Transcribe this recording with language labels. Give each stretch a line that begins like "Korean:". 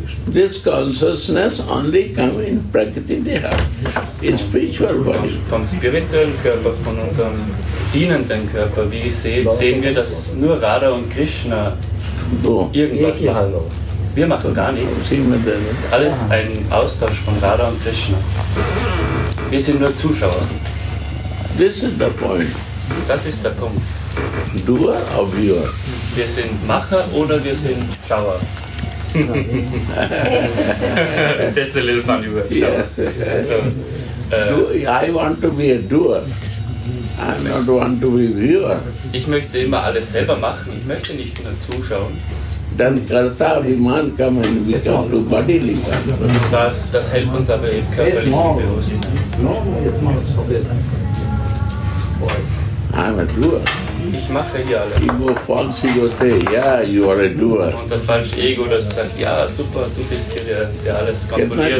English: This consciousness only comes in Prakriti Deha, in spiritual body.
German: Vom spirituellen Körper, von unserem dienenden Körper, wie sehen wir, dass nur Radha und Krishna irgendwas machen. Wir machen gar nichts. Das ist alles ein Austausch von Radha und Krishna. Wir sind nur Zuschauer.
English: This is the point.
German: Das ist der Punkt.
English: Doer or viewer?
German: Wir sind Macher oder wir sind Schauer.
English: That's a little funny word. Yes. So, I want to be a doer. I don't want to be a viewer.
German: Ich möchte immer alles selber machen. Ich möchte nicht nur zuschauen. Dann
English: karta abhiman come and we come to bodily.
German: Das hält uns aber im körperlichen Bewusstsein.
English: I'm a doer.
German: Ich mache hier alles.
English: Ego, false ego say, yeah, you are a doer.
German: Und das falsche Ego, das sagt, ja, super, du bist hier der alles kontrolliert.